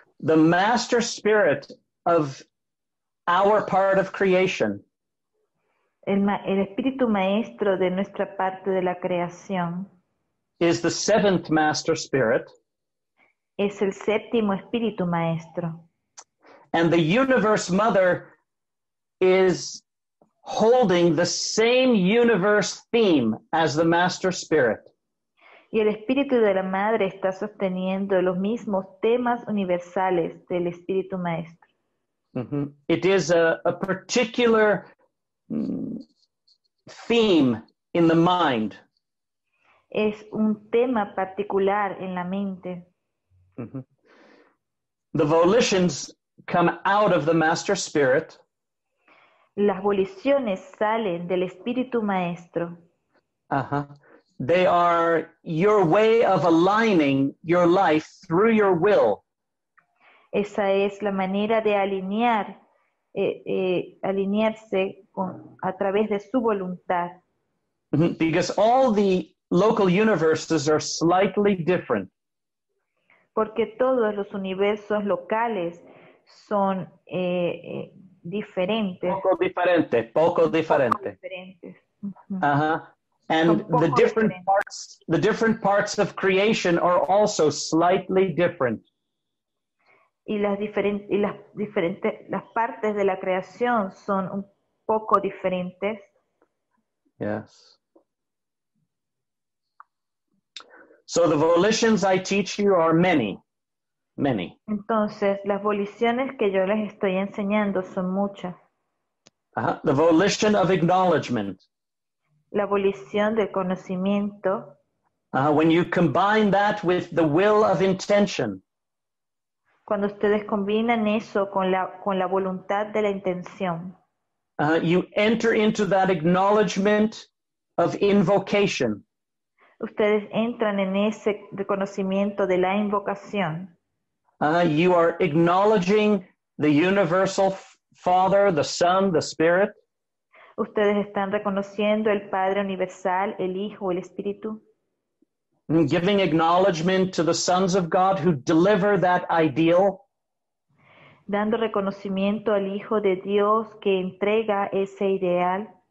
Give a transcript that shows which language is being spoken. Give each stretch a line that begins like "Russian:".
English: The master spirit of our part of creation.
Spanish: El espíritu maestro de nuestra parte de la creación.
English: Is the seventh master spirit.
Spanish: Es el séptimo espíritu maestro.
English: And the universe mother is holding the same universe theme as the master spirit.
Spanish: Y el espíritu de la madre está sosteniendo los mismos temas universales del espíritu maestro. Mm-hmm.
English: It is a particular theme in the mind.
Spanish: Es un tema particular en la mente.
English: Mm-hmm. The volitions come out of the master spirit.
Spanish: Las voliciones salen del espíritu maestro. Uh-huh.
English: They are your way of aligning your life through your will.
Spanish: Esa es la manera de alinear, alinearse con, a través de su voluntad.
English: Because all the local universes are slightly different.
Spanish: Porque todos los universos locales son diferentes. Poco diferente, poco diferente. Poco diferentes. Uh-huh.
English: And the different parts, of creation are also slightly different.
Spanish: Y las diferentes, las partes de la creación son un poco diferentes.
English: Yes. So the volitions I teach you are many, many.
Spanish: Entonces, las voliciones que yo les estoy enseñando son muchas.
English: Uh-huh. The volition of acknowledgement.
Spanish: La volición del conocimiento.
English: When you combine that with the will of intention.
Spanish: Cuando ustedes combinan eso con la voluntad de la intención.
English: You enter into that acknowledgement of invocation.
Spanish: Ustedes entran en ese reconocimiento de la invocación.
English: You are acknowledging the universal Father, the Son, the Spirit.
Spanish: Ustedes están reconociendo el Padre Universal, el Hijo, el Espíritu.
English: Giving acknowledgement to the sons of God who deliver that ideal.
Spanish: Dando reconocimiento al Hijo de Dios que entrega ese ideal.